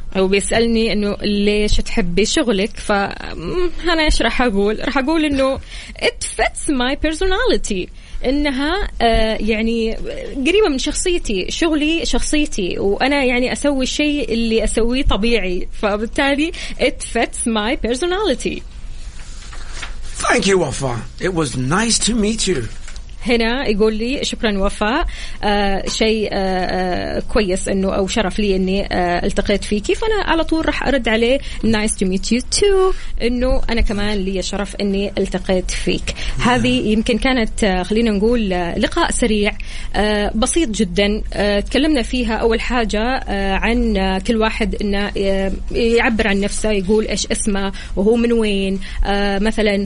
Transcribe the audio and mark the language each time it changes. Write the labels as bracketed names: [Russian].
[Arabic] هو بيسألني إنه ليش تحبي شغلك, فأنا إيش راح أقول؟ راح أقول إنه [English] it fits my personality, [Arabic] إنها يعني قريبة من شخصيتي, شغلي شخصيتي, وأنا يعني أسوي الشيء اللي أسويه طبيعي, فبالتالي it fits my personality. [English] Thank you, Wafa. It was nice to meet you. [Arabic] هنا يقول لي شكرا وفاء, شيء كويس انه او شرف لي اني التقيت فيك, فانا على طول رح ارد عليه [English] nice to meet you too, [Arabic] انه انا كمان لي شرف اني التقيت فيك. هذه يمكن كانت خلينا نقول لقاء سريع بسيط جدا, تكلمنا فيها اول حاجه عن كل واحد انه يعبر عن نفسه, يقول ايش اسمه وهو من وين مثلا.